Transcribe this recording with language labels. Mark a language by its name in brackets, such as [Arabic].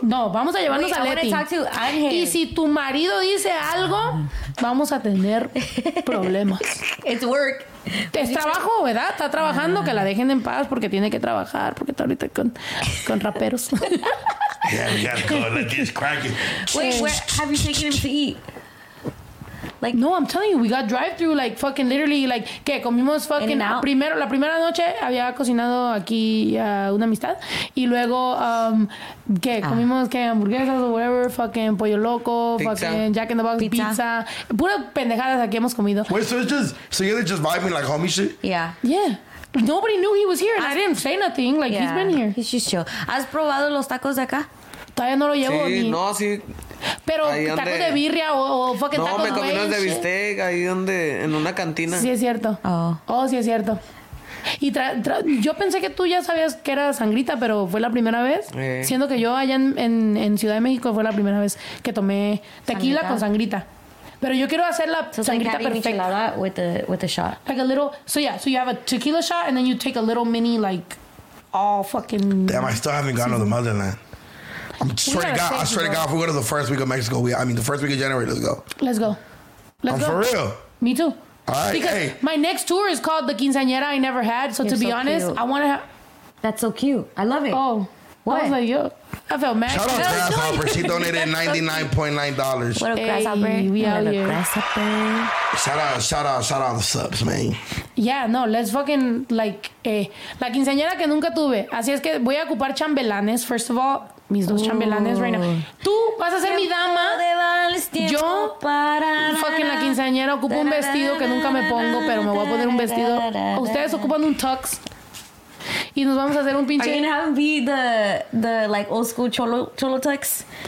[Spanish] No, vamos a llevarnos a Letty. Y si tu marido dice algo, vamos a tener problemas. [English] It's work. [Spanish] Es trabajo, ¿verdad? Está trabajando, que la dejen en paz porque tiene que trabajar, porque está ahorita con raperos. [English] Yeah, we gotta go. Let's get cracking. Wait, where have you taken him to eat? Like, no, I'm telling you, we got drive through like fucking literally like que comimos fucking primero la primera noche había cocinado aquí una amistad y luego que comimos que hamburguesas o whatever fucking pollo loco fucking Jack in the Box pizza pura pendejadas aquí hemos comido. Wait, so it's just so you're just vibing like homie shit? Yeah. Yeah. Nobody knew he was here and I didn't say nothing. Like he's been here. He's just chill. [Spanish] ¿Has probado los tacos de acá? Todavía no lo llevo sí, ni. No, sí. Pero tacos de birria o fucking tacos de bistec. No, me comí unos de bistec ahí donde, en una cantina. Sí, es cierto. Oh, sí, es cierto. Y yo pensé que tú ya sabías que era sangrita, pero fue la primera vez. Siendo que yo allá en Ciudad de México fue la primera vez que tomé tequila sangrita. Con sangrita. Pero yo quiero hacer la [English] so [Spanish] sangrita [English] like [Spanish] perfecta. [English] With a shot. Like a little, so you have a tequila shot and then you take a little mini, like, all fucking. Damn, I still haven't gone to the motherland. I'm straight to God, I swear to God, if we go to the first week of Mexico, the first week of January, let's go. Let's go. Let's go. For real. Me too. All right. Because my next tour is called the Quinceañera I Never Had, so to be honest, cute. I want to have. That's so cute. I love it. Oh. What? I was like, yo. I felt mad. Shout out to Grasshopper. She donated $99.9. What up, Grasshopper? We out here. Shout out the subs, man. Yeah, no, let's fucking, like, [Spanish] la quinceañera que nunca tuve. Así es que voy a ocupar chambelanes, [English] first of all. [Spanish] Mis dos chambelanes reina. Tú vas a ser mi dama. Yo, fucking la quinceañera, ocupo un vestido que nunca me pongo, pero me voy a poner un vestido. Ustedes ocupan un tux. Y nos vamos a hacer un pinche. [English] Are you gonna have be the like old school cholo tux?